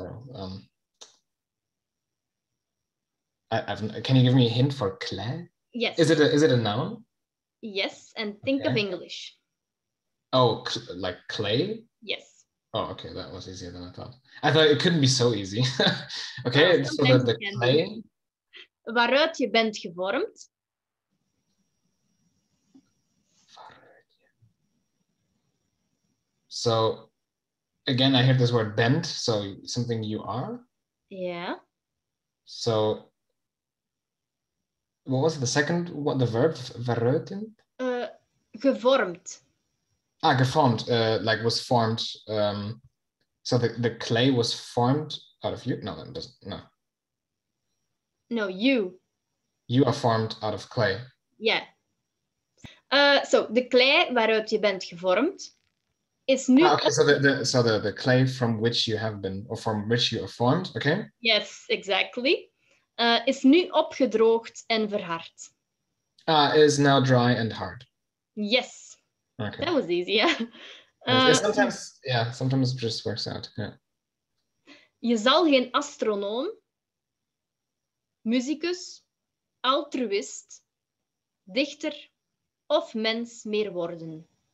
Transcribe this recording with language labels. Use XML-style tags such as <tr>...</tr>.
<en>Can you give me a hint for clay? Yes. Is it a noun? Yes, and think okay. Of English. Oh, like clay? Yes. Oh, okay, that was easier than I thought. I thought it couldn't be so easy. Okay, so the clay.</en> <nl>Waaruit je bent gevormd?</nl> <en>So, again, I hear this word bent, so something you are? Yeah. So, what was the second one, the verb, verreuten? Gevormd. Ah, gevormd, like was formed. So the clay was formed out of you? No, that doesn't, no. No, you. You are formed out of clay. Yeah.</en> <nl>So, de clay waaruit je bent gevormd.</nl> <en>It's new. Ah, okay, so the clay from which you have been or from which you are formed, okay? Yes, exactly.</en> <nl>Is nu opgedroogd en verhard.</nl> <en>Is now dry and hard. Yes. Okay. That was easy, yeah. Sometimes it just works out. Yeah.</en> <nl>Je zal geen astronoom, muzikus, altruïst, dichter of mens meer worden.</nl>